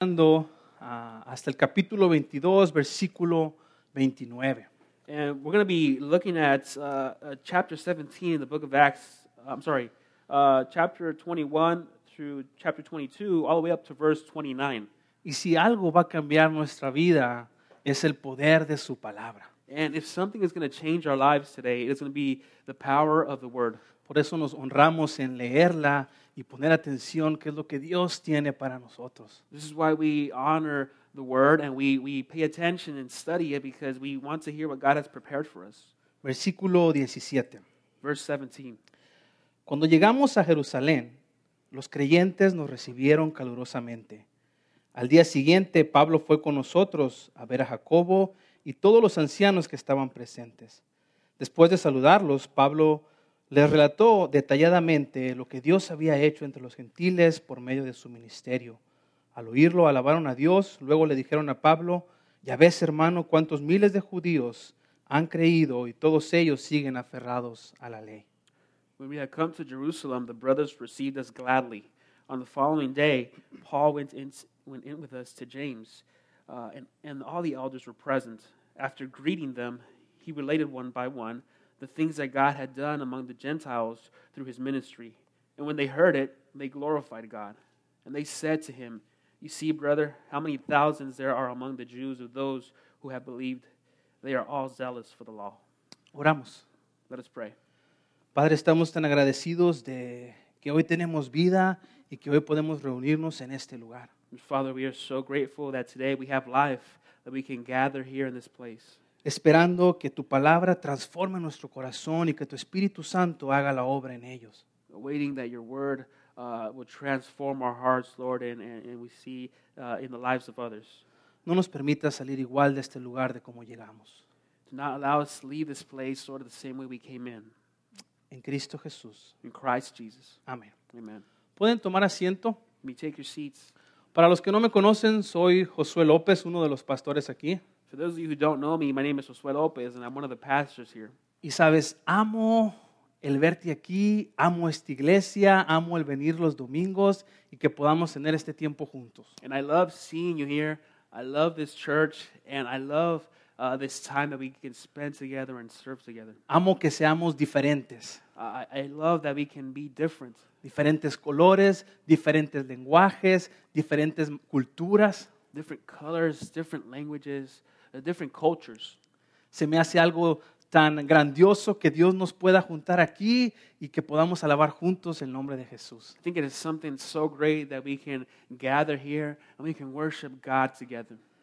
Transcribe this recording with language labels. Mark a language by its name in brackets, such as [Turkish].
[Spanish] Llegando hasta el capítulo 22, versículo 29. [English] And we're going to be looking at chapter 17 in the book of Acts. I'm sorry, chapter 21 through chapter 22, all the way up to verse 29. [Spanish] Y si algo va a cambiar nuestra vida, es el poder de su palabra. [English] And if something is going to change our lives today, it's going to be the power of the word. [Spanish] Por eso nos honramos en leerla y poner atención qué es lo que Dios tiene para nosotros. [English] This is why we honor the word and we pay attention and study it because we want to hear what God has prepared for us. [Spanish] Versículo 17. [English] Verse 17. [Spanish] Cuando llegamos a Jerusalén, los creyentes nos recibieron calurosamente. Al día siguiente, Pablo fue con nosotros a ver a Jacobo y todos los ancianos que estaban presentes. Después de saludarlos, Pablo les relató detalladamente lo que Dios había hecho entre los gentiles por medio de su ministerio. Al oírlo, alabaron a Dios. Luego le dijeron a Pablo, ya ves, hermano, cuántos miles de judíos han creído y todos ellos siguen aferrados a la ley. [English] When we had come to Jerusalem, the brothers received us gladly. On the following day, Paul went in with us to James, and all the elders were present. After greeting them, he related one by one the things that God had done among the Gentiles through his ministry. And when they heard it, they glorified God. And they said to him, you see, brother, how many thousands there are among the Jews of those who have believed. They are all zealous for the law. [Spanish] Oramos. [English] Let us pray. [Spanish] Padre, estamos tan agradecidos de que hoy tenemos vida y que hoy podemos reunirnos en este lugar. [English] Father, we are so grateful that today we have life, that we can gather here in this place. [Spanish] Esperando que tu palabra transforme nuestro corazón y que tu Espíritu Santo haga la obra en ellos. [English] Waiting that your word will transform our hearts, Lord, and we see in the lives of others. [Spanish] No nos permita salir igual de este lugar de como llegamos. [English] Do not allow us to leave this place sort of the same way we came in. [Spanish] En Cristo Jesús. [English] In Christ Jesus. [Spanish] Amén. [English] Amen. [Spanish] ¿Pueden tomar asiento? [English] You take your seats. [Spanish] Para los que no me conocen, soy Josué López, uno de los pastores aquí. [English] For those of you who don't know me, my name is Josué López, and I'm one of the pastors here. [Spanish] Y sabes, amo el verte aquí, amo esta iglesia, amo el venir los domingos y que podamos tener este tiempo juntos. [English] And I love seeing you here. I love this church, and I love this time that we can spend together and serve together. [Spanish] Amo que seamos diferentes. [English] I love that we can be different. [Spanish] Diferentes colores, diferentes lenguajes, diferentes culturas. [English] Different colors, different languages, different cultures. [Spanish] Se me hace algo tan grandioso que Dios nos pueda juntar aquí y que podamos alabar juntos el nombre de Jesús. [English] I think it is something so great that we can gather here and we can worship God together.